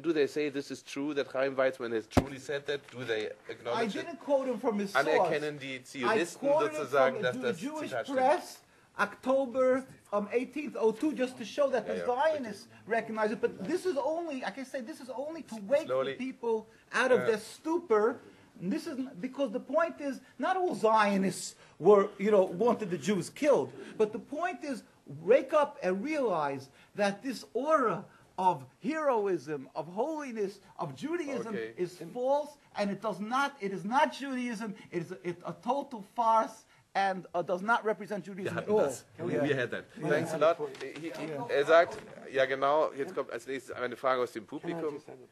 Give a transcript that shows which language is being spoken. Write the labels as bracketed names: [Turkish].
[English] Do they say this is true, that Chaim Weizmann has truly said that? Do they acknowledge it? I didn't quote him from his source. [German] Anerkennen die Zionisten sozusagen, dass das Zitat stimmt? [English] I quoted from the Jewish press, October 1802, just to show that Zionists recognize it. But this is only, like I say, this is only to wake the people out of their stupor. And this is because the point is, not all Zionists were, you know, wanted the Jews killed. But the point is, wake up and realize that this aura of heroism, of holiness, of Judaism is false, and it does not. It is not Judaism. It is a total farce, and does not represent Judaism at all. We had that. Thanks a lot. [German] Sagt, ja genau, jetzt kommt als nächstes eine Frage aus dem Publikum.